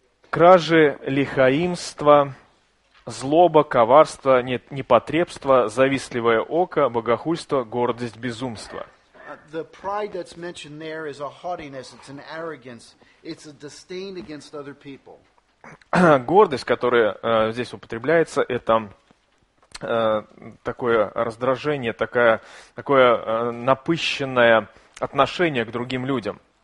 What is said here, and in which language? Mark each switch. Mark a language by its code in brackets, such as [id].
[ru] Кражи, лихоимство, злоба, коварство, непотребство, завистливое око, богохульство, гордость, безумство. [en] The pride that's mentioned there is a haughtiness, it's an arrogance, it's a disdain against other people. [ru] Гордость, которая здесь употребляется, это такое раздражение, такое напыщенное отношение к другим людям.